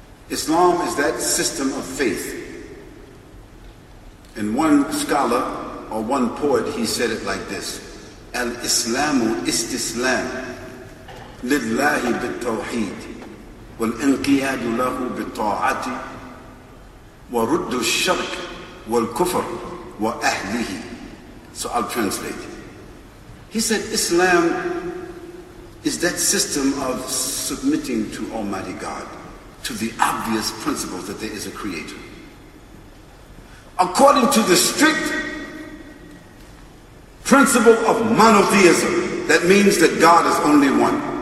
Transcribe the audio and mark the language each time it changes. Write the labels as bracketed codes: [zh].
[en] Islam is that system of faith. And one scholar or one poet, he said it like this: [ar] Al-Islamu istislam lillahi bit-tawheed. والانقياد له بالطاعة ورد الشرك والكفر وأهله. [en] So I'll translate. He said Islam is that system of submitting to Almighty God, to the obvious principle that there is a Creator. According to the strict principle of monotheism, that means that God is only one.